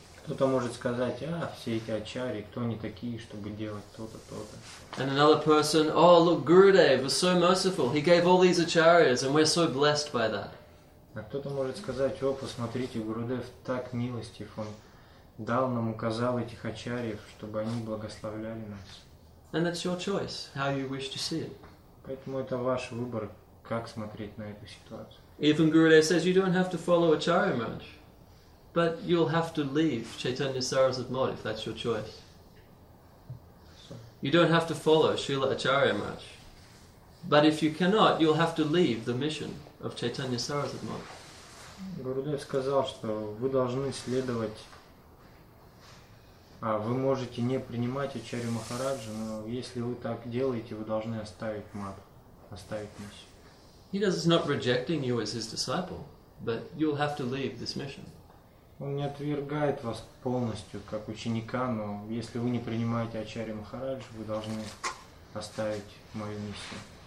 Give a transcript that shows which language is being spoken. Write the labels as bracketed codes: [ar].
[ru] Кто-то может сказать, а все эти ачарьи, кто они такие, чтобы делать то-то, то-то. [en] And another person, oh look, Gurudev was so merciful. He gave all these acharyas, and we're so blessed by that. [ru] А кто-то может сказать, о, посмотрите, Гурудев так милостив, он дал нам, указал этих ачарьев, чтобы они благословляли нас. [en] And that's your choice, how you wish to see it. [ru] Поэтому это ваш выбор, как смотреть на эту ситуацию. [en] Even Gurudev says you don't have to follow Acharya Maharaj, but you'll have to leave Chaitanya Sarasvati Math if that's your choice. You don't have to follow Srila Acharya Maharaj, but if you cannot, you'll have to leave the mission of Chaitanya Sarasvati Math. [ru] Gurudev сказал, что вы должны следовать. А вы можете не принимать Ачарью Махараджа, но если вы так делаете, вы должны оставить мат, оставить миссию. [en] He is not rejecting you as his disciple, but you'll have to leave this mission. [ru] Он не отвергает вас полностью как ученика, но если вы не принимаете Ачарью Махараджа, вы должны оставить мою миссию.